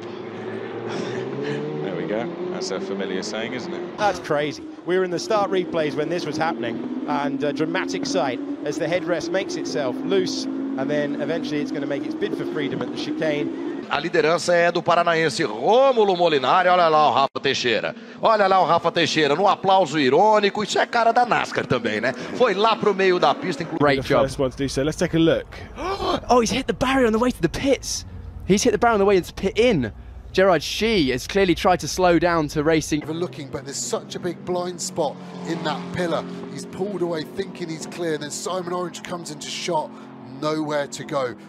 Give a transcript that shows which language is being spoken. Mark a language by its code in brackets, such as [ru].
[en] There we go. That's a familiar saying, isn't it? That's crazy. We were in the start replays when this was happening, and a dramatic sight as the headrest makes itself loose, and then eventually it's going to make its bid for freedom at the chicane. [pt] A liderança é do paranaense Rômulo Molinari. Olha lá o Rafa Teixeira. Olha lá o Rafa Teixeira, num aplauso irônico. Isso é cara da NASCAR também, né? Foi lá pro meio da pista. [en] Great job. First one to do so. Let's take a look. Oh, he's hit the barrier on the way to the pits. He's hit the barrier on the way to pit in. Gerard Shee has clearly tried to slow down to racing. Overlooking, but there's such a big blind spot in that pillar. He's pulled away thinking he's clear. Then Simon Orange comes into shot. Nowhere to go.